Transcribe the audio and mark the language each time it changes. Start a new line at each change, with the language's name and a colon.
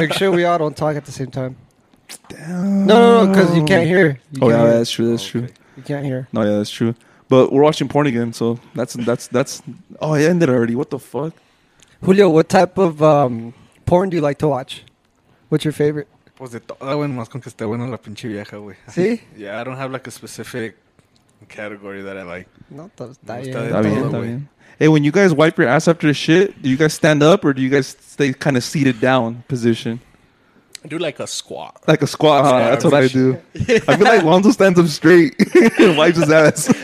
English: Make sure we all don't talk at the same time. Damn. No, because you can't hear. Yeah, that's true. That's true. You can't hear. No, yeah, that's true. But we're watching porn again, so that's. Oh, it ended already. What the fuck? Julio, what type of porn do you like to watch? What's your favorite?
Spanish: Pues de toda, bueno, más con que esté buena la pinche vieja, güey. ¿Sí?
English: Yeah, I don't have like a specific category that I like.
Spanish: No, está bien. Está bien, está bien.
English: Hey, when you guys wipe your ass after the shit, do you guys stand up or do you guys stay kind of seated down position? I do like a squat. Like a squat, huh? Yeah, that's what I do. Yeah. I feel like Lonzo stands up straight and wipes his ass.